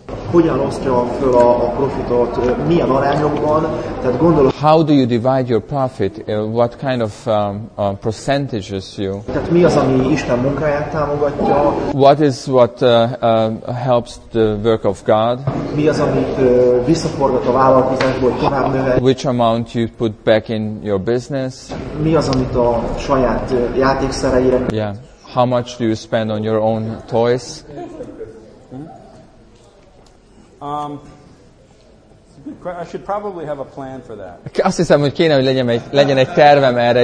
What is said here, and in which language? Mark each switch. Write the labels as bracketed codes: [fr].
[hu] Hogyan osztja föl a profitot? Milyen arányokban? Tehát gondolom. [en] How do you divide your profit? What kind of percentages you? [hu] Tehát mi az, ami Isten munkáját támogatja? [en] What is what helps the work of God? [hu] Mi az, amit visszaforgat a vállalkozásból, tovább növel? [en] Which amount you put back in your business? [hu] Mi az, amit a saját játékszereire? [en] Yeah. How much do you spend on your own toys? I should probably have a plan for that. [hu] Azt hiszem, hogy kéne, hogy legyen egy tervem erre.